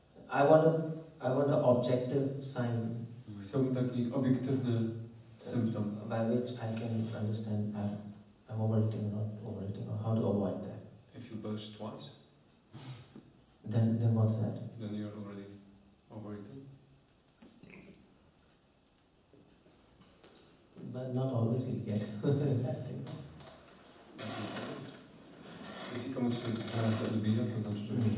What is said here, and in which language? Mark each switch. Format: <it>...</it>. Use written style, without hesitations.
<en>I want an objective sign.</en> <pl>Chciałbym taki obiektywny symptom.</pl> <en>By which I can understand I'm overeating or not overeating, or how to avoid that. If you belch twice? Then what's that? Then you're already overeating. But not always you get that thing.</en> <pl>Jeśli komuś się zająca lubienia, to znaczy, że...</pl>